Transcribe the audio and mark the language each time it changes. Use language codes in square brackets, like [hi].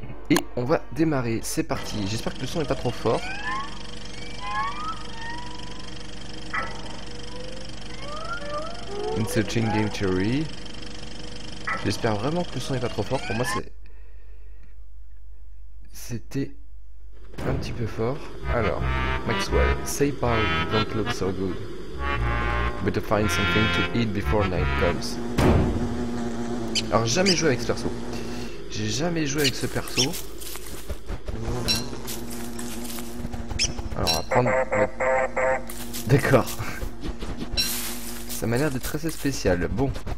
[fr] Et on va démarrer. C'est parti. J'espère que le son n'est pas trop fort. Insulting Game Theory. J'espère vraiment que le son n'est pas trop fort. Pour moi, c'était un petit peu fort. [en] Alors, Maxwell, say pal, don't look so good. Better find something to eat before night comes. [fr] Alors, jamais joué avec ce perso. J'ai jamais joué avec ce perso. Alors, on va prendre. D'accord. Ça m'a l'air d'être assez spécial. Bon.